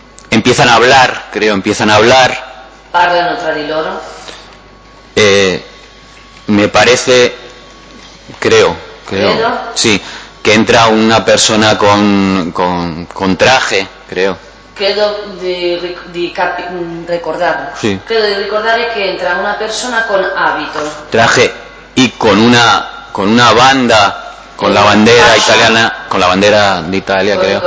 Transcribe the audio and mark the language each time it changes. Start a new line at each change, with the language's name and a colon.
Spanish: Empiezan a hablar, creo, empiezan a hablar.
Italian: Parlano tra di loro.
Spanish: Me parece, creo.
Italian: ¿Credo?
Spanish: Sí, que entra una persona con traje, creo.
Italian: Credo di recordar.
Spanish: Sí.
Italian: Credo di ricordare che entra una persona con abito.
Spanish: Traje y con una banda, con la bandera italiana, con la bandera de Italia, creo.